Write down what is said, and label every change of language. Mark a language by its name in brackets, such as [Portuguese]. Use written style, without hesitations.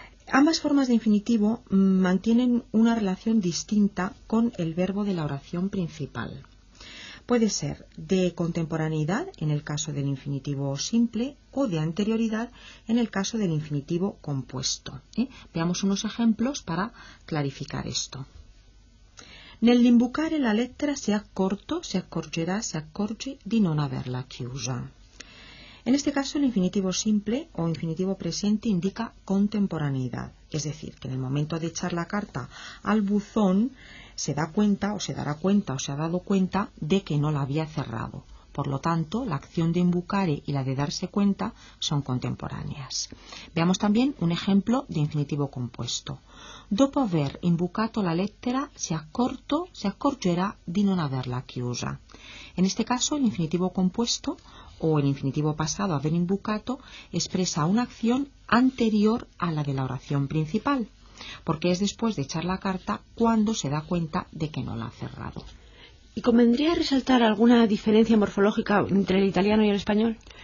[Spanish] Ambas formas de infinitivo mantienen una relación distinta con el verbo de la oración principal. Puede ser de contemporaneidad en el caso del infinitivo simple o de anterioridad en el caso del infinitivo compuesto. Veamos unos ejemplos para clarificar esto. [Italian] Nell'imbucare la lettera si è accorto, si accorgerà, si accorge di non averla chiusa. [Spanish] En este caso, el infinitivo simple o infinitivo presente indica contemporaneidad, es decir, que en el momento de echar la carta al buzón se da cuenta o se dará cuenta o se ha dado cuenta de que no la había cerrado. Por lo tanto, la acción de imbucare y la de darse cuenta son contemporáneas. Veamos también un ejemplo de infinitivo compuesto. [Italian] Dopo aver imbucato la lettera, si accorgerà di non averla chiusa. [Spanish] En este caso, el infinitivo compuesto o el infinitivo pasado aver imbucato expresa una acción anterior a la de la oración principal, porque es después de echar la carta cuando se da cuenta de que no la ha cerrado. ¿Y convendría resaltar alguna diferencia morfológica entre el italiano y el español?